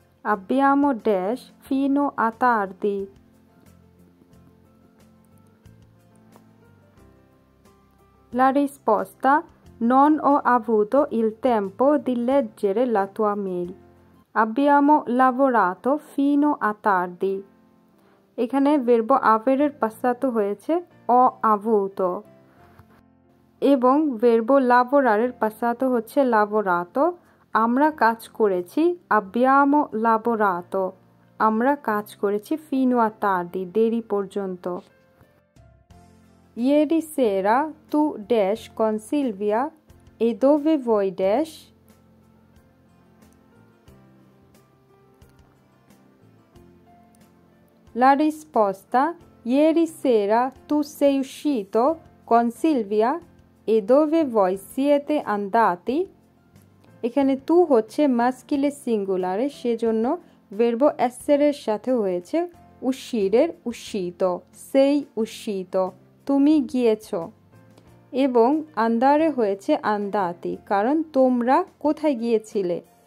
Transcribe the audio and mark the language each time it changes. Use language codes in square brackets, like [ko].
[it] Abbiamo dash fino a tardi. La risposta: non ho avuto il tempo di leggere la tua mail. Abbiamo lavorato fino a tardi. [bn] এখানে ভার্বো আভেরের পাশাতো হয়েছে অ আভূত, এবং ভার্বো লাবোরারের পাশাতো হচ্ছে লাবোরাতো, আমরা কাজ করেছি আব্বিয়ামো লাবোরাতো, আমরা কাজ করেছি ফিনো আ তার্দি, দেরি পর্যন্ত। ইয়েরি সেরা তু ড্যাশ কন Sylvia এদোভে ভোই dash, La risposta ieri sera tu sei uscito con Silvia e dove voi siete andati? এখানে tu হচ্ছে maschile singolare, সেজন্য [it] verbo essere [bn] এর সাথে হয়েছে uscire, uscito, [it] sei uscito, [bn] তুমি গিয়েছো, এবং andare হয়েছে andati, কারণ তোমরা কোথায় গিয়েছিলে।